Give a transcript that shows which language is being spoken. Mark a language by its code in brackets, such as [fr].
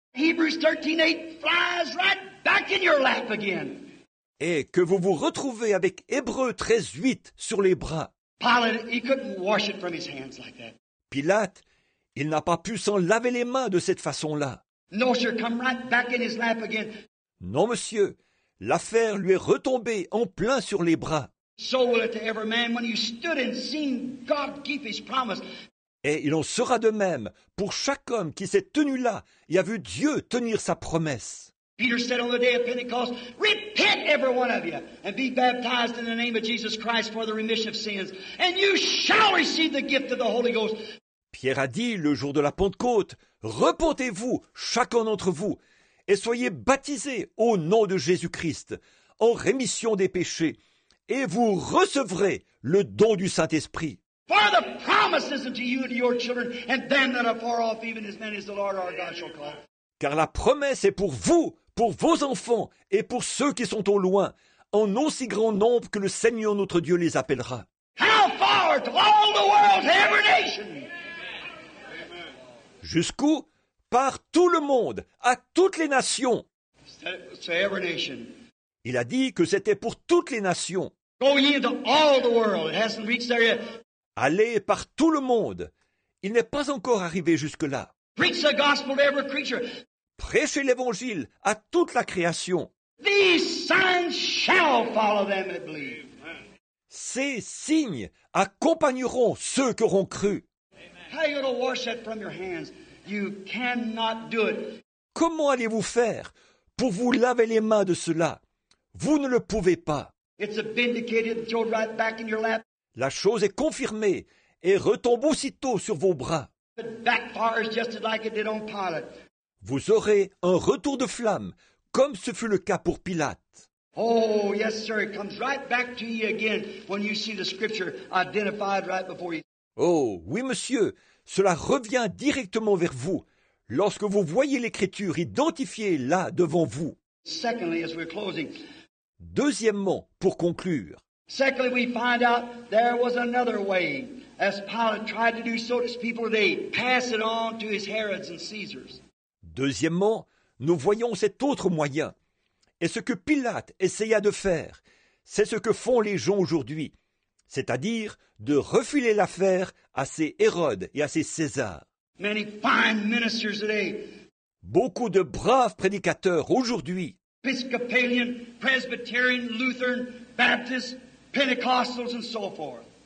[en] Hebrews 13:8 flies right back in your lap again. [fr] Et que vous vous retrouvez avec Hébreux 13:8 sur les bras. [en] Pilate, he couldn't wash it from his hands like that. [fr] Pilate, il n'a pas pu s'en laver les mains de cette façon-là. [en] No, sir, come right back in his lap again. [fr] Non, monsieur, l'affaire lui est retombée en plein sur les bras. [en] So will it to every man when you stood and seen God keep his promise. [fr] Et il en sera de même pour chaque homme qui s'est tenu là et a vu Dieu tenir sa promesse. [en] Peter said on the day of Pentecost, repent every one of you and be baptized in the name of Jesus Christ for the remission of sins, and you shall receive the gift of the Holy Ghost. [fr] Pierre a dit le jour de la Pentecôte, repentez-vous chacun d'entre vous et soyez baptisés au nom de Jésus-Christ en rémission des péchés. Et vous recevrez le don du Saint-Esprit. [en] For the promises unto you and your children, and them that are far off, even as many as the Lord our God shall call. [fr] Car la promesse est pour vous, pour vos enfants, et pour ceux qui sont au loin, en aussi grand nombre que le Seigneur notre Dieu les appellera. [en] How far to all the world, every nation? Amen. [fr] Jusqu'où? Par tout le monde, à toutes les nations. [en] To every nation. [fr] Il a dit que c'était pour toutes les nations. [en] Go into all the world. It hasn't reached there yet. [fr] Allez par tout le monde. Il n'est pas encore arrivé jusque-là. [en] Preach the gospel to every creature. [fr] Prêchez l'évangile à toute la création. [en] These signs shall follow them that believe. [fr] Ces signes accompagneront ceux qui auront cru. [en] How are you going to wash that from your hands? You cannot do it. [fr] Comment allez-vous faire pour vous laver les mains de cela? Vous ne le pouvez pas. [en] It's a vindicated throw right back in your lap. [fr] La chose est confirmée et retombe aussitôt sur vos bras. [en] It backfires just like it did on Pilate. [fr] Vous aurez un retour de flamme, comme ce fut le cas pour Pilate. [en] Oh, yes, sir, it comes right back to you again when you see the scripture identified right before you. [fr] Oh, oui, monsieur, cela revient directement vers vous lorsque vous voyez l'écriture identifiée là devant vous. [en] Secondly, as we're closing. [fr] Deuxièmement, pour conclure. [en] Secondly, we find out there was another way. As Pilate tried to do so to his people, they pass it on to his Herods and Caesars. [fr] Deuxièmement, nous voyons cet autre moyen. Et ce que Pilate essaya de faire, c'est ce que font les gens aujourd'hui, c'est-à-dire de refiler l'affaire à ses Hérodes et à ses Césars. [en] Many fine ministers today. [fr] Beaucoup de braves prédicateurs aujourd'hui. [en] Episcopalian, Presbyterian, Lutheran, Baptist, Pentecostals and so forth.